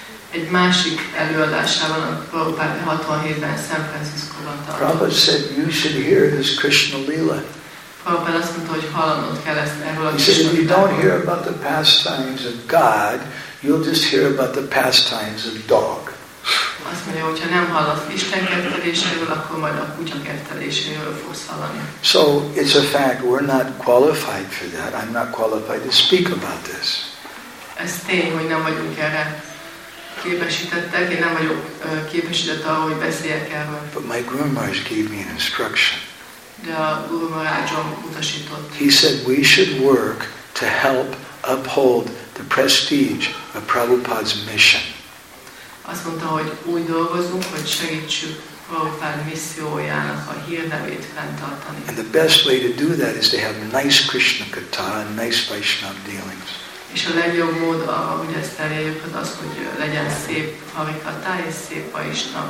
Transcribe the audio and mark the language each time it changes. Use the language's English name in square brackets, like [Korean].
[Hungarian] Egy másik előadásában Prabhupada 67-ben San Francisco-ban tartott. [English] Prabhupada said, you should hear this Krishna Leela. [Hungarian] Prabhupada azt mondta, hogy hallanod kell ezt erről a [English] Krishna Leela. He said, if you don't hear about the pastimes of God, you'll just hear about the pastimes of dog. [Hungarian] Azt mondja, hogyha nem hallasz Isten kerteléséről, akkor majd a kutya kerteléséről fogsz hallani. [English] So, it's a fact, we're not qualified for that. I'm not qualified to speak about this. [Hungarian] Ez tény, hogy nem vagyunk erre képesítettek, én nem vagyok képesített arra, hogy beszéljek erről. [English] But my Guru Maharaj gave me an instruction. [Hungarian] De a Guru Maharajom utasított. [English] He said, we should work to help uphold the prestige of Prabhupada's mission. [Hungarian] Azt mondta, hogy úgy dolgozunk, hogy segítsük Prabhupada missziójának a hírnevét fenntartani. [English] And the best way to do that is to have nice Krishna katha and nice Vaishnav dealings. [Hungarian] És a legjobb mód, ahogy ezt elérjük, az, hogy legyen szép harikata és szép Vaishnav.